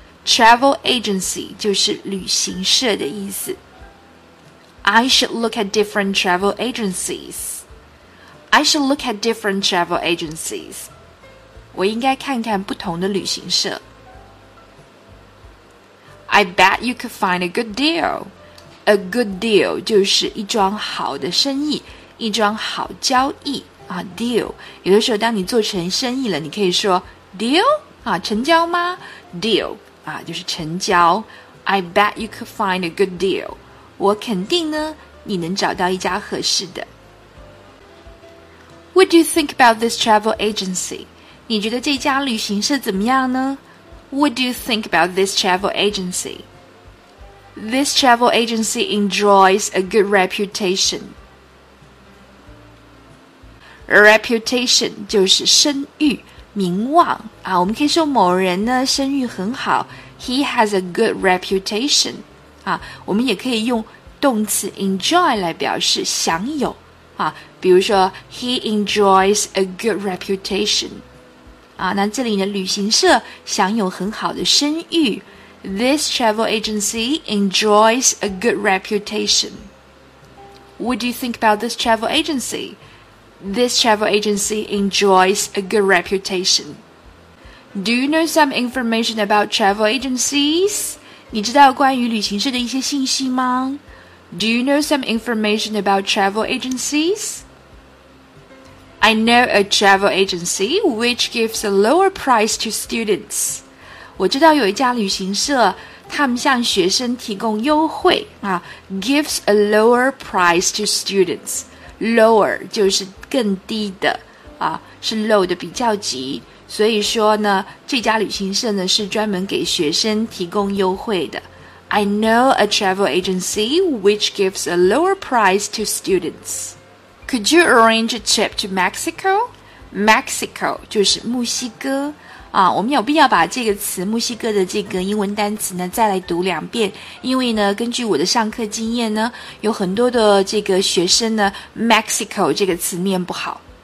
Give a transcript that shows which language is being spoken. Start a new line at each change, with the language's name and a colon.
Chinese: Travel agency 就是旅行社的意思。
English: I should look at different travel agencies. I should look at different travel agencies.
Chinese: 我应该看看不同的旅行社。
English: I bet you could find a good deal.
Chinese: A good deal 就是一桩好的生意，一桩好交易啊。 Deal 有的时候当你做成生意了，你可以说 deal 啊，成交吗 ？Deal 啊，就是成交。
English: I bet you could find a good deal.
Chinese: 我肯定呢，你能找到一家合适的。
English: What do you think about this travel agency?
Chinese: 你觉得这家旅行社怎么样呢？
English: What do you think about this travel agency? This travel agency enjoys a good reputation.
Chinese: Reputation 就是声誉、名望啊。我们可以说某人呢声誉很好。
English: He has a good reputation.
Chinese: 啊，我们也可以用动词 enjoy 来表示享有啊。比如说
English: ，He enjoys a good reputation.
Chinese: 啊，那这里的旅行社享有很好的声誉。
English: This travel agency enjoys a good reputation. What do you think about this travel agency? This travel agency enjoys a good reputation. Do you know some information about travel agencies?
Chinese: 你知道关于旅行社的一些信息吗？
English: Do you know some information about travel agencies? I know a travel agency which gives a lower price to students.
Chinese: 我知道有一家旅行社，他们向学生提供优惠啊。
English: Gives a lower price to students. Lower
Chinese: 就是更低的啊，是 low 的比较级。所以说呢，这家旅行社呢是专门给学生提供优惠的。
English: I know a travel agency which gives a lower price to students. Could you arrange a trip to Mexico?
Chinese: Mexico 就是墨西哥啊，我们有必要把这个词墨西哥的这个英文单词呢再来读两遍，因为呢根据我的上课经验呢，有很多的这个学生呢 Mexico 这个词念不好。